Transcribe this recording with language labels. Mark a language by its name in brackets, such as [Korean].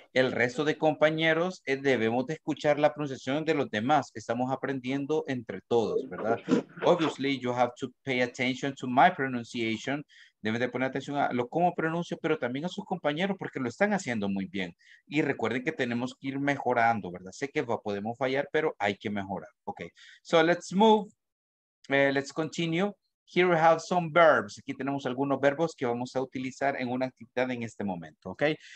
[Spanish] El resto de compañeros debemos de escuchar la pronunciación de los demás. Estamos aprendiendo entre todos, ¿verdad? [English] Obviously, you have to pay attention to my pronunciation. [Spanish] Deben de poner atención a lo cómo pronuncio, pero también a sus compañeros porque lo están haciendo muy bien. Y recuerden que tenemos que ir mejorando, ¿verdad? Sé que podemos fallar, pero hay que mejorar. [English] Okay, so let's move. Let's continue. Here we have some verbs. [Spanish] Aquí tenemos algunos verbos que vamos a utilizar en una actividad en este momento, okay?